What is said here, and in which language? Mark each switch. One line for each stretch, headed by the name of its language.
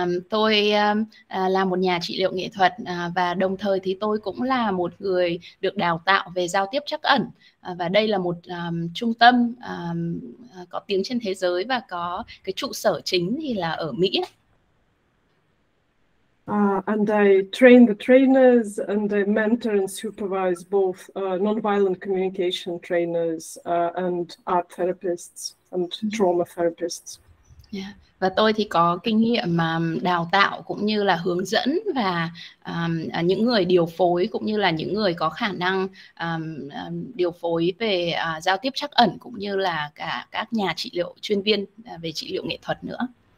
Vietnamese: Tôi là một nhà trị liệu nghệ thuật và đồng thời thì tôi cũng là một người được đào tạo về giao tiếp trắc ẩn. Và đây là một trung tâm có tiếng trên thế giới và có cái trụ sở chính thì là ở Mỹ.
English: And I train the trainers and I mentor and supervise both nonviolent communication trainers and art therapists and trauma therapists. Yeah.
Vietnamese: Và tôi thì có kinh nghiệm đào tạo cũng như là hướng dẫn và những người điều phối cũng như là những người có khả năng điều phối về giao tiếp trắc ẩn cũng như là cả các nhà trị liệu chuyên viên về trị liệu nghệ thuật nữa.